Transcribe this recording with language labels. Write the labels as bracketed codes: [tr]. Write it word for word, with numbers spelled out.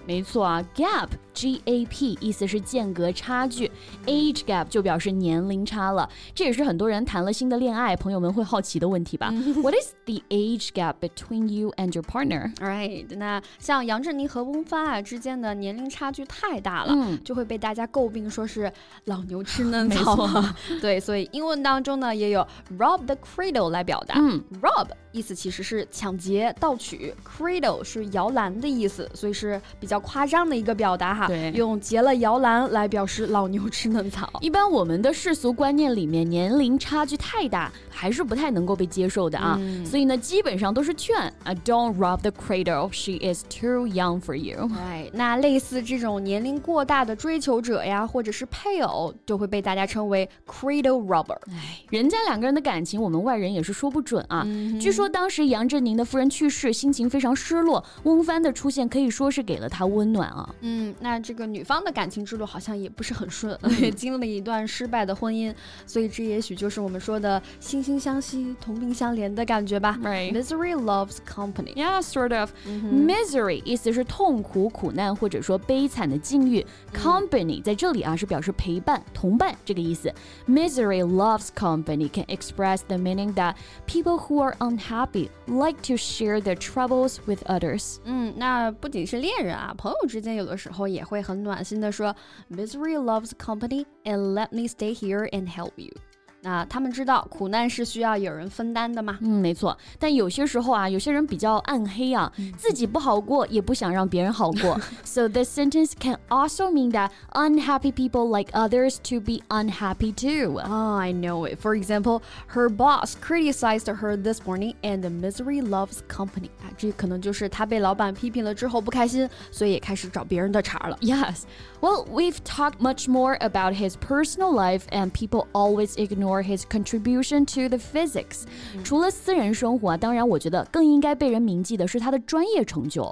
[zh] 没错啊 gap G A P 意思是间隔差距 age gap 就表示年龄差了这也是很多人谈了新的恋爱朋友们会好奇的问题吧 [en] What is the age gap between you and your partner? [zh] Right 那像杨振宁和翁帆啊之间的年龄差距太大了、嗯、就会被大家诟病说是老牛吃嫩草对所以英文当中呢也有 rob the cradle 来表达、嗯、 rob 意思其实是抢劫盗取 cradle 是摇篮的意思所以是比较夸张的一个表达哈用结了摇篮来表示老牛吃嫩草一般我们的世俗观念里面年龄差距太大还是不太能够被接受的啊、嗯、所以呢基本上都是劝 [en] Don't rob the cradle She is too young for you、 [zh] right, 那类似这种年龄过大的追求者呀或者是配偶就会被大家称为 [en] cradle robber [zh] 人家两个人的感情我们外人也是说不准啊、嗯、据说当时杨振宁的夫人去世心情非常失落翁帆的出现可以说是给给了他温暖啊嗯，那这个女方的感情之路好像也不是很顺、嗯、也经历了一段失败的婚姻所以这也许就是我们说的惺惺相惜同病相怜的感觉吧、 [en] right. Misery loves company Yeah, sort of、嗯、 [zh] Misery 意思是痛苦苦难或者说悲惨的境遇、嗯、 [en] Company [zh] 在这里啊是表示陪伴同伴这个意思 [en] Misery loves company can express the meaning that people who are unhappy like to share their troubles with others [zh] 嗯，那不仅是恋人啊朋友之间有的时候也会很暖心的说 [en] Misery loves company and let me stay here and help you [zh] 那他们知道苦难是需要有人分担的嘛嗯，没错但有些时候啊有些人比较暗黑啊、嗯、自己不好过也不想让别人好过 [en] So this sentence can also mean that unhappy people like others to be unhappy too Oh, I know it For example, her boss criticized her this morning and the misery loves company 啊， [zh] 这可能就是她被老板批评了之后不开心所以也开始找别人的茬了 [en] Yes Well, we've talked much more about his personal life and people always ignore or his contribution to the physics. [zh] 除了私人生活，当然我觉得更应该被人铭记的是他的专业成就。